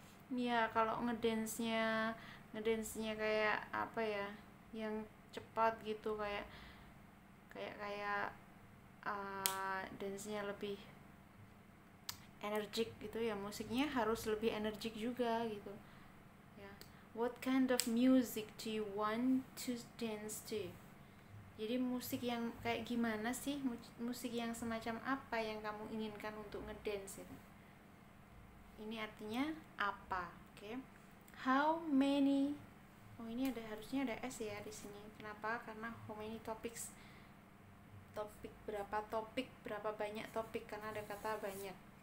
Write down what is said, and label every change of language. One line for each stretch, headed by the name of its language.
Indonesian: Ya, kalau ngedance-nya kayak apa ya? Yang cepat gitu kayak dance-nya lebih energik gitu ya, musiknya harus lebih energik juga gitu ya.
English: What kind of music do you want to dance to?
Indonesian: Jadi musik yang kayak gimana sih, musik yang semacam apa yang kamu inginkan untuk ngedance itu? Ini artinya apa? Oke, how many? Oh, ini ada, harusnya ada s ya di sini. Kenapa? Karena
English: how many topics,
Indonesian: topik, berapa banyak topik, karena ada kata banyak.